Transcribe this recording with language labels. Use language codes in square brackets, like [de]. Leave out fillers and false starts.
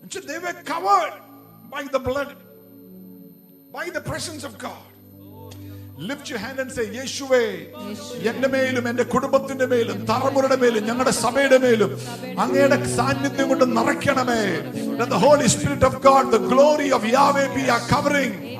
[en] They were covered by the blood, by the presence of God. Lift your hand and say, [ml] യേശുവേ, എന്റെ മേലും എന്റെ കുടുംബത്തിന്റെ മേലും തലമുറയുടെ മേലും ഞങ്ങളുടെ സഭയുടെ മേലും അങ്ങയുടെ സാന്നിധ്യം കൊണ്ട് നിറയ്ക്കണമേ. [en] Let the Holy Spirit of God, the glory of Yahweh be our covering.